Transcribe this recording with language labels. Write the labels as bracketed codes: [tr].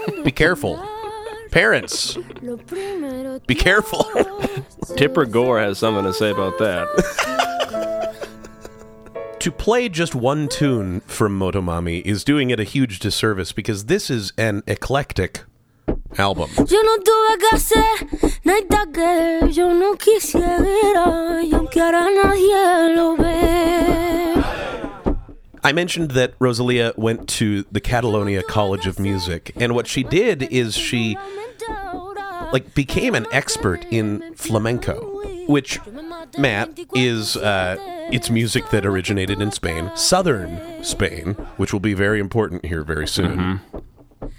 [en] Be careful. Parents, be careful. Tipper Gore has something to say about that. To play just one tune from Motomami is doing it a huge disservice because this is an eclectic album. [es] Yo no tuve que hacer nada que yo no quisiera, y aunque ahora nadie lo ve. [en] I mentioned that Rosalia went to the Catalonia College of Music, and what she did is she, like, became an expert in flamenco, which, Matt, is, it's music that originated in Spain, southern Spain, which will be very important here very soon. Mm-hmm.